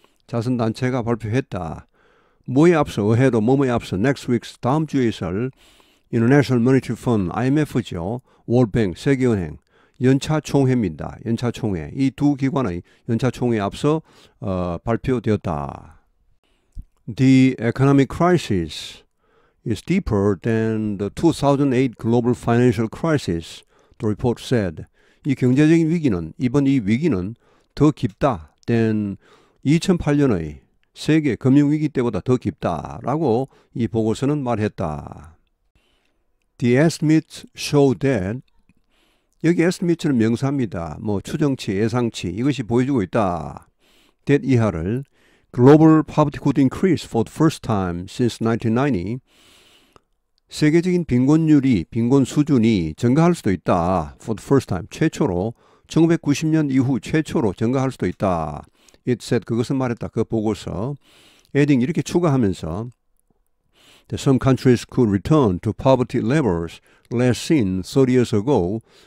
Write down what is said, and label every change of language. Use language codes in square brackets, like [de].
[ko] 자선단체가 발표했다. 뭐에 앞서, [en] ahead of [ko] 뭐에 앞서, [en] next week's [ko] 다음 주에 있을 International Monetary Fund, IMF죠. World Bank, 세계은행. 연차총회입니다. 연차총회. 이 두 기관의 연차총회에 앞서 발표되었다. [en] The economic crisis is deeper than the 2008 global financial crisis, the report said. [ko] 이 경제적인 위기는, 이번 이 위기는 더 깊다 than 2008년의 세계 금융위기 때보다 더 깊다라고 이 보고서는 말했다. [en] The estimates show that [ko] 여기 estimate는 명사입니다. 뭐 추정치, 예상치 이것이 보여주고 있다. [en] That [ko] 이하를 [en] Global poverty could increase for the first time since 1990. [ko] 세계적인 빈곤율이, 빈곤 수준이 증가할 수도 있다. [en] For the first time, [ko] 최초로 1990년 이후 최초로 증가할 수도 있다. [en] It said [ko] 그것은 말했다. 그 보고서 [en] adding [ko] 이렇게 추가하면서 [en] that some countries could return to poverty levels less seen 30 years ago.